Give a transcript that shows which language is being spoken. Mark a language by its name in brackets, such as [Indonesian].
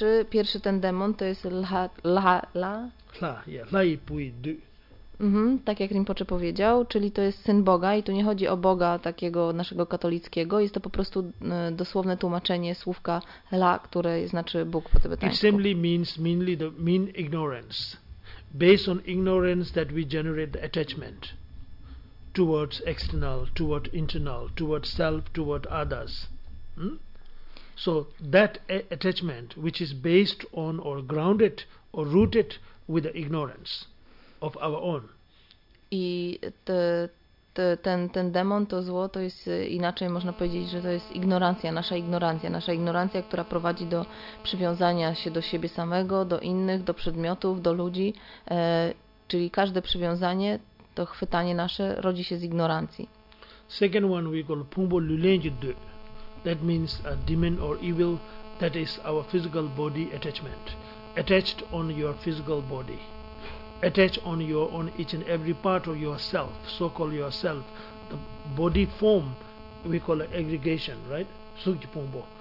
[Polish] Pierwszy ten demon to jest lha. [Tibetan] Hla, yeah, lai pui du. [Polish] Tak jak Rinpoche powiedział, czyli to jest syn Boga i tu nie chodzi o Boga takiego naszego katolickiego, jest to po prostu dosłowne tłumaczenie słówka la, które znaczy Bóg po tybetańsku. [English] It simply means mainly the mean ignorance. Based on ignorance that we generate the attachment towards external, toward internal, toward self, toward others. So that attachment which is based on or grounded or rooted with the ignorance of our own. [Polish] I ten demon, to zło, to jest inaczej można powiedzieć, że to jest ignorancja, nasza ignorancja. Nasza ignorancja, która prowadzi do przywiązania się do siebie samego, do innych, do przedmiotów, do ludzi. Czyli każde przywiązanie, to chwytanie nasze, rodzi się z ignorancji. [English] Second one we call Pumbo Lulenji Du. That means a demon or evil that is our physical body attachment. Attached on your physical body. Attached on your own each and every part of yourself, so-called yourself, the body form, we call it aggregation, right? Sukhi Pungbo.